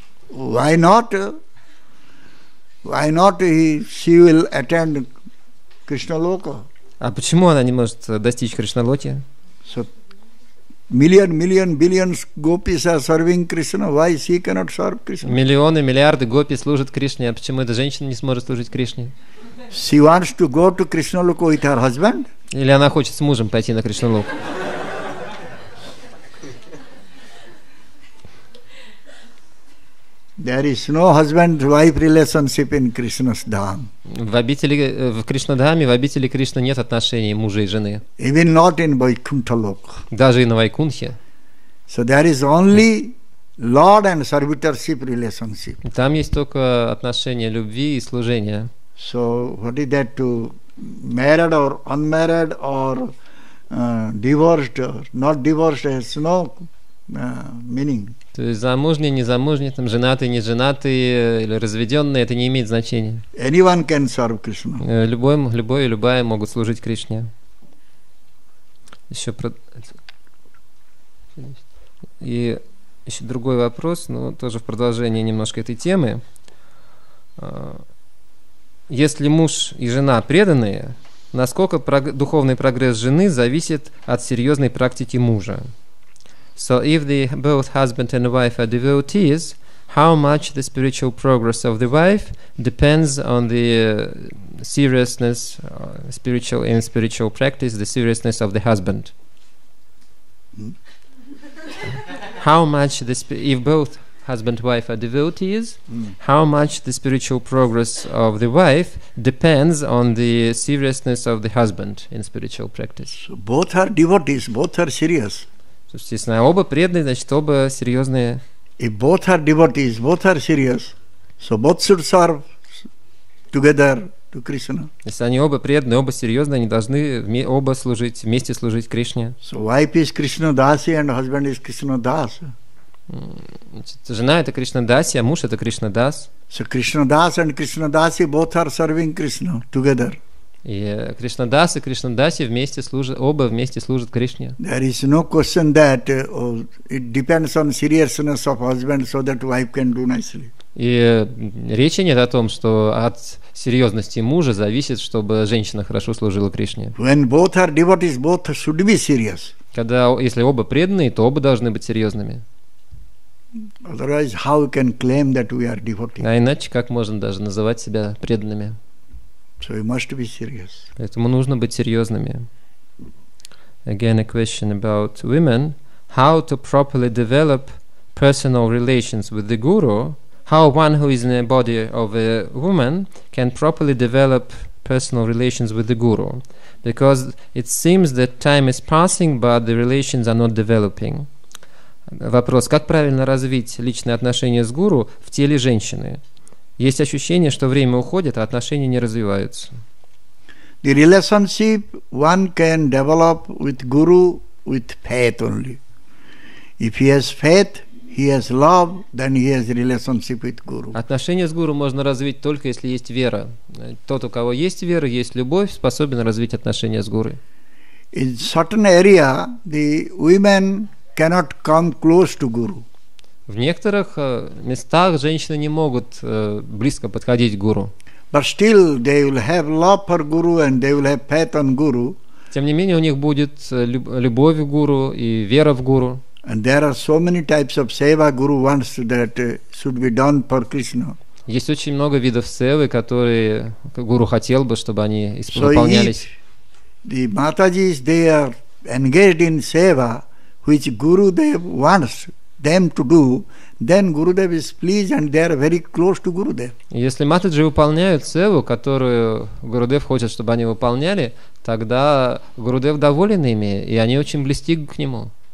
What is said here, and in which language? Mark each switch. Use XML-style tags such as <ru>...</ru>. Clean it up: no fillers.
<en>Why not? Why not she will attend Кришналока?</en> <ru>А почему она не может достичь Кришналоки?</ru> <en>So, millions gopis are serving Krishna. Why she cannot serve Krishna?</en> <ru>Миллионы, миллиарды гопи служат Кришне. А почему эта женщина не сможет служить Кришне?</ru> <en>She wants to go to Krishnaloka with her husband?</en> <ru>Или она хочет с мужем пойти на Кришналоку?</ru> <en>There is no husband-wife relationship in Krishna's dham.</en> <ru>В Кришнадхаме, в обители Кришны нет отношений мужа и жены.</ru> <en>Even not in Vaikuntha Lok.</en> <ru>Даже и на Вайкунхе.</ru> <en>So there is only lord and servitorship relationship.</en> <ru>Там есть только отношения любви и служения.</ru> <en>So what is that to married or unmarried or divorced or not divorced has no meaning.</en> <ru>То есть замужние, незамужние, там женатые, неженатые или разведенные, это не имеет значения.</ru> <en>Anyone can serve Krishna.</en> <ru>Любой и любая могут служить Кришне. Еще про... И еще другой вопрос, но тоже в продолжение немножко этой темы. Если муж и жена преданные, насколько духовный прогресс жены зависит от серьезной практики мужа?</ru> <en>So if the both husband and wife are devotees, how much the spiritual progress of the wife depends on the seriousness spiritual practice, the seriousness of the husband? How much if both husband and wife are devotees, how much the spiritual progress of the wife depends on the seriousness of the husband in spiritual practice? So both are devotees, both are serious.</en> <ru>Естественно, оба преданные, значит, оба серьезные.</ru> <en>If both are devotees, both are serious, so both should serve together to Krishna.</en> <ru>Если они оба преданные, оба серьезные, они должны оба служить, вместе служить Кришне.</ru> <en>So wife is Krishna Dasi and husband is Krishna Das.</en> <ru>Значит, жена это Кришна Даси, а муж это Кришна Дас.</ru> <en>So Krishna Das and Krishna Dasi both are serving Krishna together.</en> <ru>И Кришна Дас и Кришна Даси вместе служат, оба вместе служат Кришне.</ru> <en>There is no question that it depends on seriousness of husband so that wife can do nicely.</en> <ru>И речи нет о том, что от серьезности мужа зависит, чтобы женщина хорошо служила Кришне.</ru> <en>When both are devotees, both should be serious.</en> <ru>Когда, если оба преданные, то оба должны быть серьезными.</ru> <en>Otherwise, how we can claim that we are devotees?</en> <ru>А иначе как можно даже называть себя преданными?</ru> <en>So we must be serious.</en> <ru>Поэтому нужно быть серьезными.</ru> <en>Again, a question about women: how to properly develop personal relations with the guru? How one who is in the body of a woman can properly develop personal relations with the guru? Because it seems that time is passing, but the relations are not developing.</en> <ru>Вопрос: как правильно развить личные отношения с гуру в теле женщины? Есть ощущение, что время уходит, а отношения не развиваются.</ru> <en>The relationship one can develop with guru with faith only. If he has faith, he has love, then he has relationship with guru.</en> <ru>Отношения с гуру можно развить только если есть вера. Тот, у кого есть вера, есть любовь, способен развить отношения с гуру.</ru> <en>In certain area, the women cannot come close to guru.</en> <ru>В некоторых местах женщины не могут близко подходить к гуру.</ru> <en>But still, they will have love for guru and they will have faith on guru.</en> <ru>Тем не менее, у них будет любовь к гуру и вера в гуру.</ru> <en>And there are so many types of seva guru wants that should be done for Krishna.</en> <ru>Есть очень много видов севы, которые гуру хотел бы, чтобы они выполнялись.</ru> <en>So if the Mataji is there engaged in seva, which guru they wants them to do, then Gurudev is pleased and they are very close to Gurudev.</en> <ru>Если Матаджи выполняют севу, которую Гурудев хочет, чтобы они выполняли, тогда Гурудев доволен ими, и они очень близки к нему.</ru>